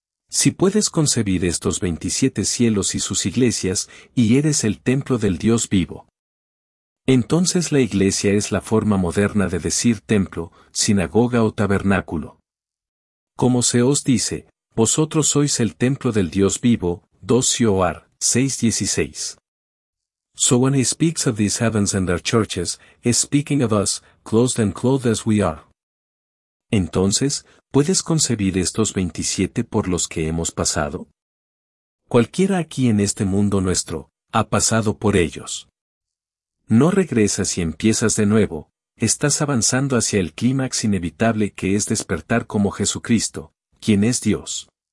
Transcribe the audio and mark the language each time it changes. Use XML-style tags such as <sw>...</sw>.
<es>Si puedes concebir estos 27 cielos y sus iglesias, y eres el templo del Dios vivo. Entonces la iglesia es la forma moderna de decir templo, sinagoga o tabernáculo. Como se os dice, vosotros sois el templo del Dios vivo, 2 Joar 6:16.</es> <en>So when he speaks of these heavens and their churches, is speaking of us, clothed and clothed as we are.</en> <es>Entonces, ¿puedes concebir estos 27 por los que hemos pasado? Cualquiera aquí en este mundo nuestro, ha pasado por ellos. No regresas y empiezas de nuevo, estás avanzando hacia el clímax inevitable que es despertar como Jesucristo, quien es Dios.</es>